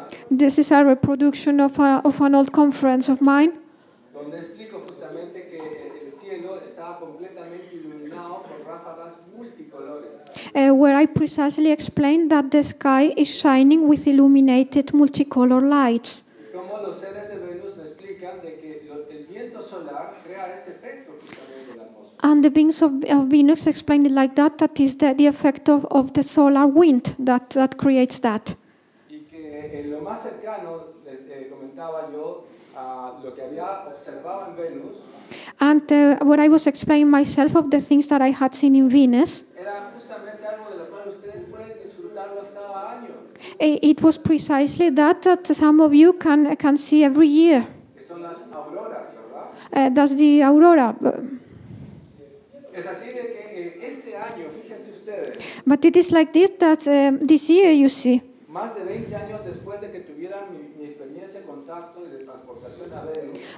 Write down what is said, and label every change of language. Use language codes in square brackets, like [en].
[en] This is a reproduction of an old conference of mine. [es] Donde explico justamente que el cielo estaba completamente iluminado por ráfagas multicolores. [en] Where I precisely explain that the sky is shining with illuminated multicolor lights. [es] Como los seres de Venus me explican de que el viento solar crea ese efecto justamente. [en] And the beings of Venus explain it like that is the effect of the solar wind that creates that. [es] Más cercano, comentaba yo, a lo que había observado en Venus. [en] And what I was explaining myself of the things that I had seen in Venus. [es] Era justamente algo de lo cual ustedes pueden disfrutarlo hasta año. [en] It was precisely that some of you can see every year. [es] Son las auroras, ¿verdad? [en] That's the aurora. [es] Es así de que este año, fíjense ustedes. [en] But it is like this that this year you see. [es] Más de 20 años después de que tuvieran mi experiencia en contacto y de transportación a Venus.